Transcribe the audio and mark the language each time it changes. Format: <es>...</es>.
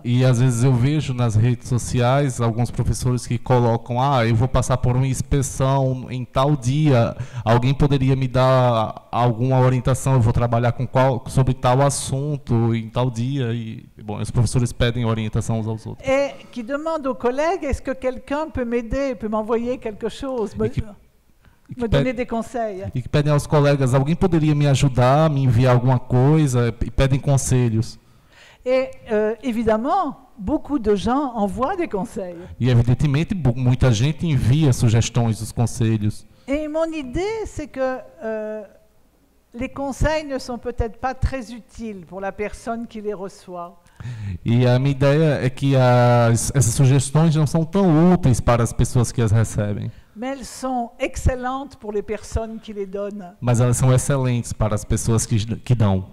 <pt>E às vezes eu vejo nas redes sociais alguns professores que colocam, ah, eu vou passar por uma inspeção em tal dia, alguém poderia me dar alguma orientação, eu vou trabalhar com qual, sobre tal assunto em tal dia. E, bom, os professores pedem orientação uns aos outros. E que demandam ao colega,</pt> <fr>est-ce que quelqu'un peut m'aider, peut m'envoyer quelque chose? Me donner des conseils.</fr> <pt>E que pedem aos colegas, alguém poderia me ajudar, me enviar alguma coisa, e pedem conselhos.</pt> <fr>Et évidemment, beaucoup de gens envoient des conseils.</fr> <pt>E evidentemente, muita gente envia sugestões, os conselhos.</pt> <fr>Et mon idée, c'est que les conseils ne sont peut-être pas très utiles pour la personne qui les reçoit.</fr> <pt>E a minha ideia é que essas sugestões não são tão úteis para as pessoas que as recebem.</pt> <fr>Mais elles sont excellentes pour les personnes qui les donnent.</fr> <pt>Mas elas são excelentes para as pessoas que dão.</pt>